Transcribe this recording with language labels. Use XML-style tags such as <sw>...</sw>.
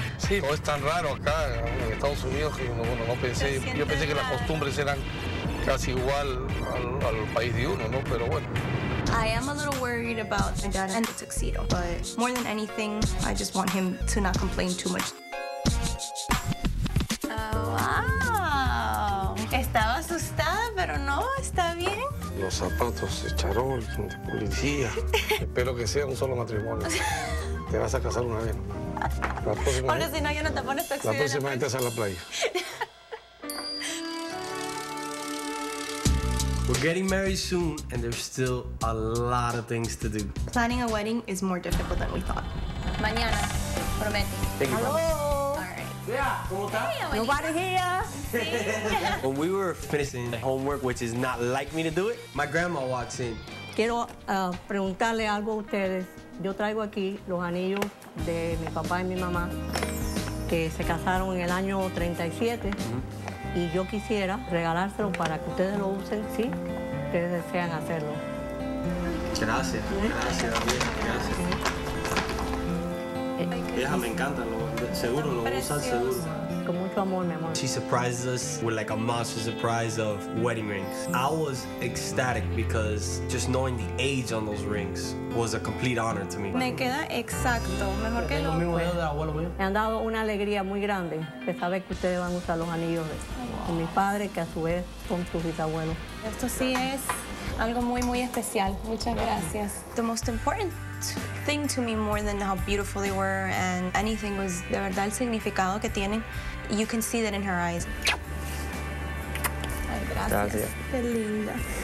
<es>Sí, todo es tan raro acá en Estados Unidos que no pensé. Yo pensé que las costumbres eran casi igual al país de uno, ¿no? Pero bueno.</es> <en>I am a little worried about my dad and the tuxedo, but more than anything, I just want him to not complain too much. Oh, wow!</en> <es>Estaba asustada, pero no, está bien. Los zapatos, el charol, de policía. Espero que sea un solo matrimonio. Te vas a casar una vez. La próxima porque si no, yo no te pones tuxedo. La próxima vez te vas a la playa.</es> <en>We're getting married soon, and there's still a lot of things to do. Planning a wedding is more difficult than we thought.</en> <es>Mañana, prometo.</es> <en>Thank you, Hello. Mama. All right. Yeah,</en> <es>¿cómo está?</es> <en>Hey, nobody here. When we were finishing homework, which is not like me to do it, my grandma walks in.</en> <es>Quiero preguntarle algo a ustedes. Yo traigo aquí los anillos de mi papá y mi mamá que se casaron en el año 37. Y yo quisiera regalárselo para que ustedes lo usen si ustedes desean hacerlo. Gracias, gracias, vieja, gracias. Vieja, me encanta, seguro, lo voy a usar, seguro. Con mucho amor, mi amor.</es> <en>She surprises us with like a monster surprise of wedding rings. I was ecstatic because just knowing the age on those rings was a complete honor to me.</en> <es>Me queda exacto, mejor que lo mismo de abuelo mío. Me han dado una alegría muy grande de saber que ustedes van a usar los anillos de mi padre, que a su vez son sus bisabuelos. Esto sí es algo muy, muy especial. Muchas gracias.</es> <en>The most important thing to me, more than how beautiful they were and anything, was</en> <es>de verdad el significado que tienen.</es> <en>You can see that in her eyes.</en> <es>Ay, gracias. Gracias. Qué linda.</es>